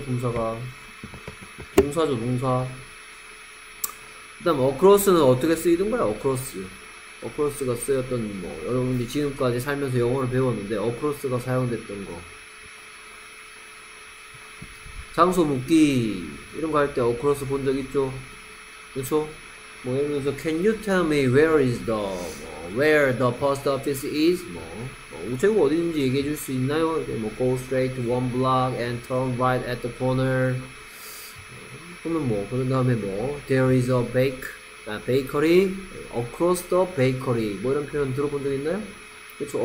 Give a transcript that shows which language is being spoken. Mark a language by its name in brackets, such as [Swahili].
[Korean] 품사가 동사죠. 동사. 그다음 어크로스는 어떻게 쓰이던 거야? 어크로스. 어크로스가 쓰였던 뭐 여러분들이 지금까지 살면서 영어를 배웠는데 어크로스가 사용됐던 거. 장소 묻기 이런 거 할 때 어크로스 본 적 있죠? 그렇죠? 뭐 예를 들어서 [English] Can you tell me where is the where the post office is? [Korean] 뭐 우체국 어디 있는지 얘기해 줄 수 있나요? 이렇게 뭐 [English] Go straight one block and turn right at the corner. [Korean] 그러면 뭐 그런 다음에 뭐 [English] There is a bakery across the bakery [Korean] 뭐 이런 표현 들어본 적 있나요? 그렇죠.